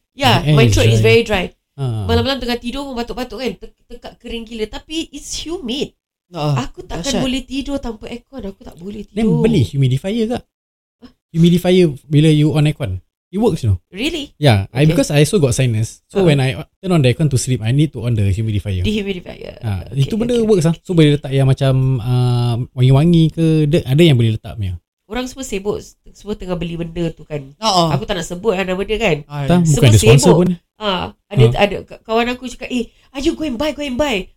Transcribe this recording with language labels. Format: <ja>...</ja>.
<en>Yeah, my throat is very dry.</en> <ms>Malam-malam tengah tidur pun batuk-batuk kan. Tekak kering gila. Tapi</ms> <en>it's humid.</en> <ms>Aku takkan dasyat. Boleh tidur tanpa aircon. Aku tak boleh tidur.</ms> <en>Then</en> <ms>beli humidifier ke?</ms> <en>Humidifier</en> <ms>bila</ms> <en>you on aircon. It works, you know. Really? Yeah, okay. I, because I also got sinus. So when I turn on the aircon to sleep, I need to on the humidifier. Okay,</en> <ms>itu benda works lah. So boleh letak yang macam wangi-wangi ke. Ada yang boleh letak punya. Orang semua sibuk. Semua tengah beli benda tu kan. Aku tak nak sebut lah nama dia kan. Bukan ada sponsor pun. Ada kawan aku cakap,</ms> <en>are you going buy, going buy?</en>